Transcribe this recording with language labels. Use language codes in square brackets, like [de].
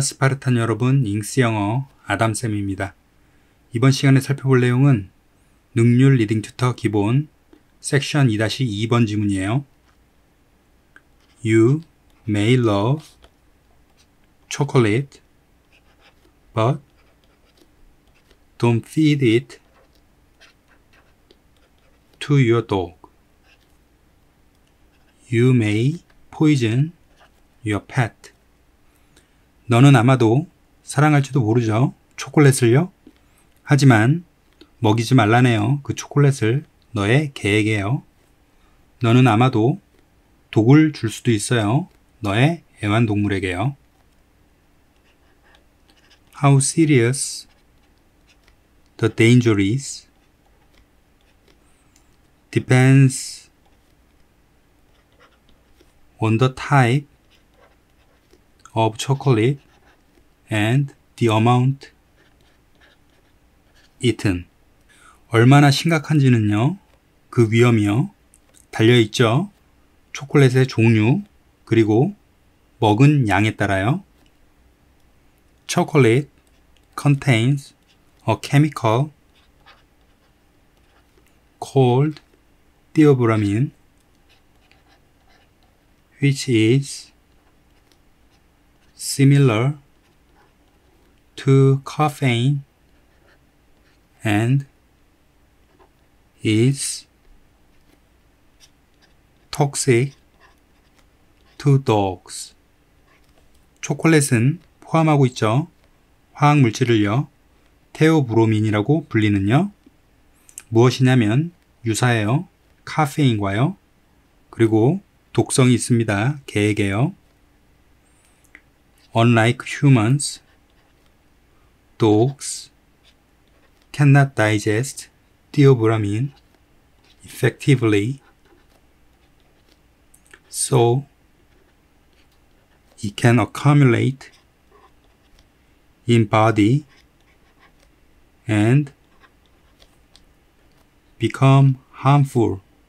[ko] 스파르탄 여러분, 잉스 영어 아담쌤입니다. 이번 시간에 살펴볼 내용은 능률 리딩 튜터 기본 섹션 2-2번 지문이에요. [en] You may love chocolate, but don't feed it to your dog. You may poison your pet. [ko] 너는 아마도 사랑할지도 모르죠. 초콜릿을요? 하지만 먹이지 말라네요. 그 초콜릿을 너의 개에게요. 너는 아마도 독을 줄 수도 있어요. 너의 애완동물에게요. [en] How serious the danger is depends on the type of chocolate and the amount eaten. [ko] 얼마나 심각한지는요, 그 위험이요, 달려있죠. 초콜릿의 종류, 그리고 먹은 양에 따라요. [en] Chocolate contains a chemical called theobromine, which is similar to caffeine and is toxic to dogs. [ko] 초콜릿은 포함하고 있죠. 화학 물질을요. 테오브로민이라고 불리는요. 무엇이냐면 유사해요. 카페인과요. 그리고 독성이 있습니다. 개에게요. [en] Unlike humans, dogs cannot digest theobromine effectively, so it can accumulate in body and become harmful.